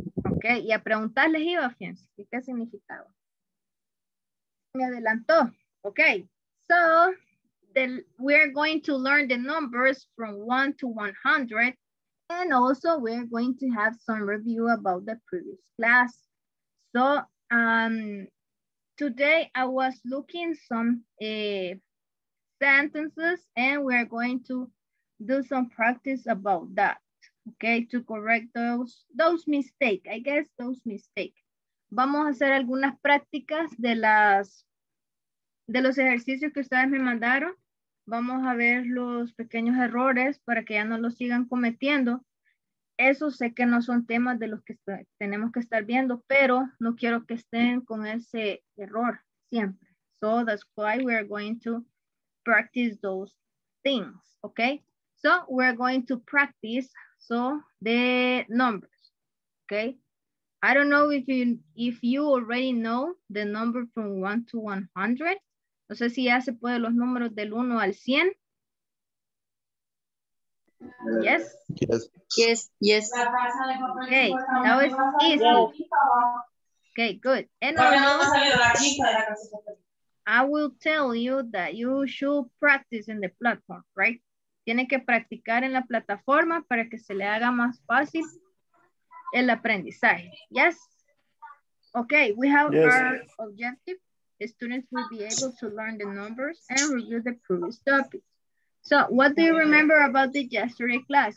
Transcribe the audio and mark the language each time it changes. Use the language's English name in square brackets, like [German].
[Spanish] Ok, y a preguntarles iba, fíjense, ¿qué significaba? Me adelantó. [English] Ok, so we're going to learn the numbers from 1 to 100. And also, we're going to have some review about the previous class. So, today I was looking some sentences and we're going to do some practice about that. Okay, to correct those mistakes. I guess those mistakes. [Spanish] Vamos a hacer algunas prácticas de los ejercicios que ustedes me mandaron. Vamos a ver los pequeños errores para que ya no los sigan cometiendo. Eso sé que no son temas de los que tenemos que estar viendo, pero no quiero que estén con ese error siempre. [English] So that's why we are going to practice those things, okay? So we're going to practice the numbers, okay? I don't know if you already know the number from 1 to 100. [Spanish] No sé si ya se puede los números del 1 al 100. [English] Yes. Yes. Yes. Okay. That was easy. Okay. Good. I will tell you that you should practice in the platform, right? [Spanish] Tiene que practicar en la plataforma para que se le haga más fácil el aprendizaje. [English] Yes. Okay. We have our objective. The students will be able to learn the numbers and review the previous topics. So, what do you remember about the yesterday class?